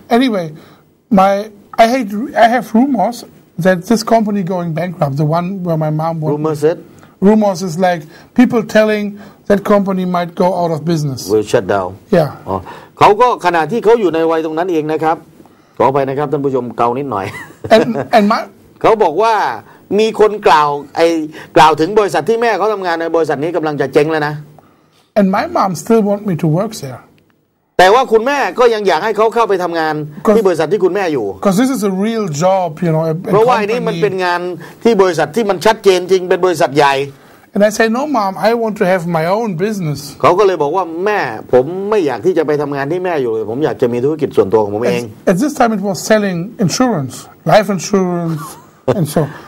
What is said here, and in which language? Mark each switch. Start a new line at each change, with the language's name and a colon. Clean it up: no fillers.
English: anyway I have rumors that this company going bankrupt the one where my mom was rumors it rumors is like people telling that company might go out of business will shut down yeah
Thai: เขาก็ขณะที่เขาอยู่ในวัยตรงนั้นเองนะครับขอไปนะครับท่านผู้ชมเกานิดหน่อย
English: and my
Thai: เขาบอกว่ามีคนกล่าวถึงบริษัทที่แม่เขาทำงานในบริษัทนี้กำลังจะเจ๊งแล้วนะ
English: And my mom still want me to work there.
Thai: แต่ว่าคุณแม่ก็ยังอยากให้เขาเข้าไปทำงานที่บริษัทที่คุณแม่อยู่
English: Because this is a real job you know
Thai: เพราะว่านี่มันเป็นงานที่บริษัทที่มันชัดเจนจริงเป็นบริษัทใหญ่
English: And I say no mom I want to have my own business
Thai: เขาก็เลยบอกว่าแม่ผมไม่อยากที่จะไปทำงานที่แม่อยู่เลยผมอยากจะมีธุรกิจส่วนตัวของผมเอง
English: At this time it was selling insurance life insurance and so